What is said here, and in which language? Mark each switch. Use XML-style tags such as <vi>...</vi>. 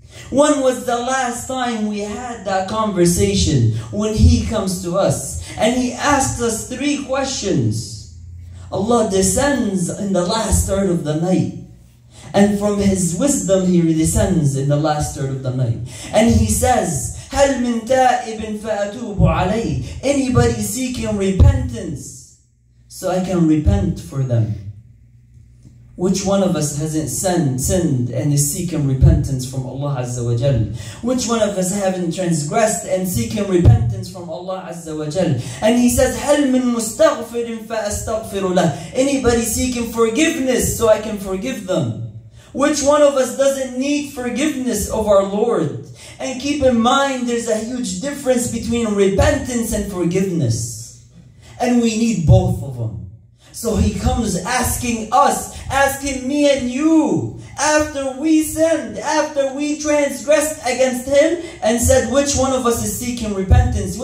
<en>When was the last time we had that conversation when He comes to us? And He asks us three questions. Allah descends in the last third of the night. And from His wisdom, He descends in the last third of the night. And He says,</en> <ar>هَلْ مِنْ تَائِبٍ فَأَتُوبُ عَلَيْهِ.</ar> <en>Anybody seeking repentance, so I can repent for them. Which one of us hasn't sinned and is seeking repentance from Allah Azza wa Jal? Which one of us haven't transgressed and seeking repentance from Allah Azza wa Jal? And He says,</en> <ar>هَلْ مِنْ مُسْتَغْفِرٍ فَأَسْتَغْفِرُ لَهُ.</ar> <en>Anybody seeking forgiveness, so I can forgive them. Which one of us doesn't need forgiveness of our Lord? And keep in mind, there's a huge difference between repentance and forgiveness. And we need both of them. So He comes asking us, asking me and you, after we sinned, after we transgressed against Him, and said, which one of us is seeking repentance?</en>